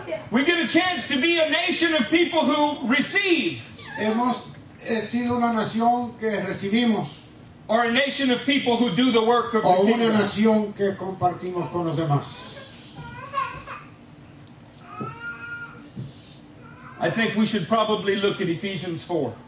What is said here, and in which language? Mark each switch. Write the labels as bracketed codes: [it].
[en] We get a chance to be a nation of people who receive. [es] Hemos sido una nación que recibimos. [en] Or a nation of people who do the work of [es] o una nación que compartimos con los demás. [en] I think we should probably look at Ephesians 4.